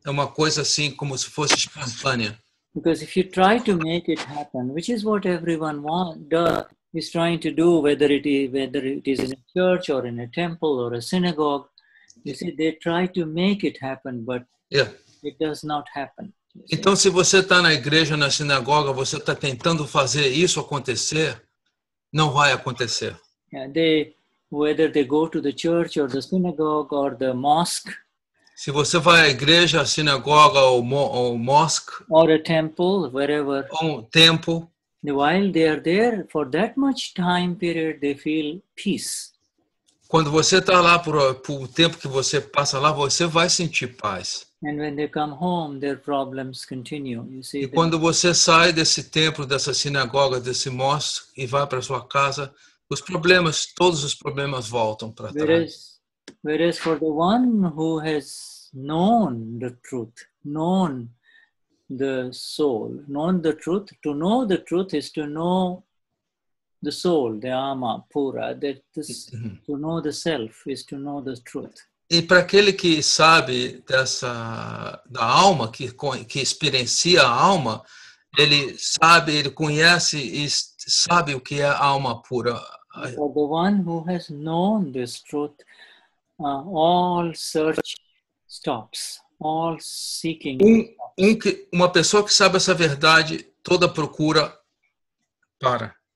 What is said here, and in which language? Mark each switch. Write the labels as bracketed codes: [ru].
[pt] É uma coisa assim como se fosse espontânea. [en] Because if you try to make it happen, which is what everyone is trying to do, whether it is in a church or in a temple or a synagogue, you see, they try to make it happen, but it does not happen. [pt] Então, se você está na igreja, na sinagoga, você está tentando fazer isso acontecer, não vai acontecer. [en] Whether they go to the church or the synagogue or the mosque. [pt] Se você vai à igreja, à sinagoga ou mosque. [en] Or a temple, wherever. [pt] Ou um templo. [en] While they are there for that much time period, they feel peace. [pt] Quando você está lá por o tempo que você passa lá, você vai sentir paz. [en] And when they come home, their problems continue. You see, [pt] e quando você sai desse templo, dessa sinagoga, desse mosque e vai para sua casa, os problemas, todos os problemas voltam para trás. [en] Whereas for the one who has known the truth, known the soul, known the truth, to know the truth is to know the soul, the ama, pura, that this, to know the self is to know the truth. [pt] E para aquele que sabe dessa, da alma, que experiencia a alma, ele sabe, ele conhece e sabe o que é a alma pura. [en] For the one who has known this truth, all search stops, all seeking. [pt] Uma pessoa que sabe essa verdade, toda procura para.